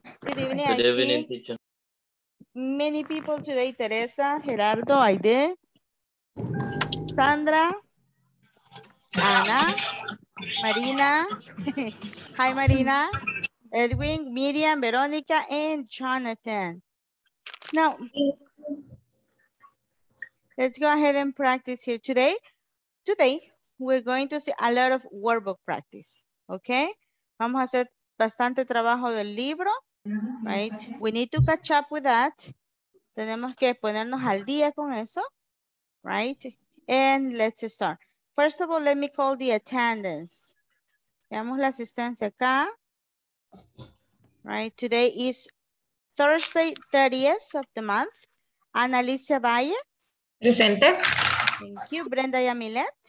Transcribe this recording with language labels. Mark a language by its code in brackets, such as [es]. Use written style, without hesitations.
[en] Good evening. Good evening teacher. Many people today, Teresa, Gerardo, Aide, Sandra, Ana, Marina, hi Marina, Edwin, Miriam, Veronica, and Jonathan. Now, let's go ahead and practice here today. Today, we're going to see a lot of workbook practice, okay? [es] Vamos a hacer bastante trabajo del libro, right? [en] We need to catch up with that. [es] Tenemos que ponernos al día con eso, [en] right? And let's start. First of all, let me call the attendance. [es] Veamos la asistencia acá. [en] Right, today is Thursday, 30th of the month. Ana Alicia Valle. [es] Presente. [en] Thank you. Brenda Yamilet.